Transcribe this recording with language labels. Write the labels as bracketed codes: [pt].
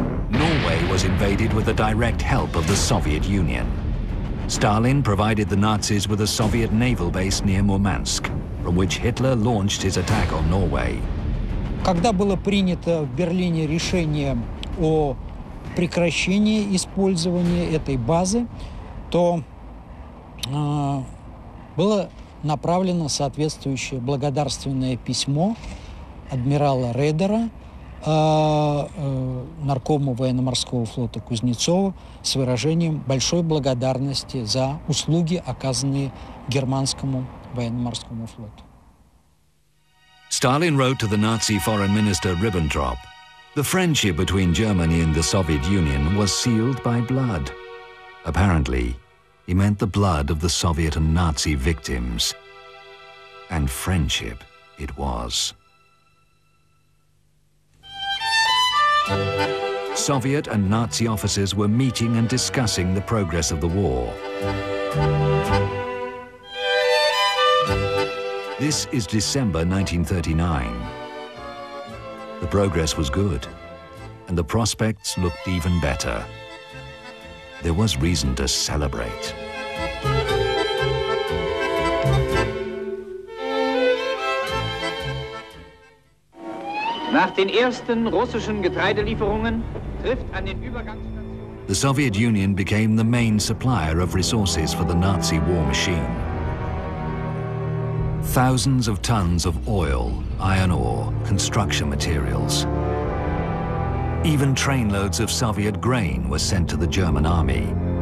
[en] Norway was invaded with the direct help of the Soviet Union. Stalin provided the Nazis with a Soviet naval base near Murmansk, from which Hitler launched his attack on Norway. [ru] Когда было принято в Берлине решение о прекращении использования этой базы, то было направлено соответствующее благодарственное письмо адмирала Редера наркому военно-морского флота Кузнецова с выражением большой благодарности за услуги, оказанные германскому военно-морскому флоту. [en] Сталин wrote to the Nazi foreign minister Ribbentrop. The friendship between Germany and the Soviet Union was sealed by blood. Apparently, he meant the blood of the Soviet and Nazi victims. And friendship it was. Soviet and Nazi officers were meeting and discussing the progress of the war. This is December 1939. The progress was good, and the prospects looked even better. There was reason to celebrate. [de] Nach den ersten russischen Getreidelieferungen trifft an den Übergangsstationen. [en] The Soviet Union became the main supplier of resources for the Nazi war machine. Thousands of tons of oil, iron ore, construction materials. Even trainloads of Soviet grain were sent to the German army.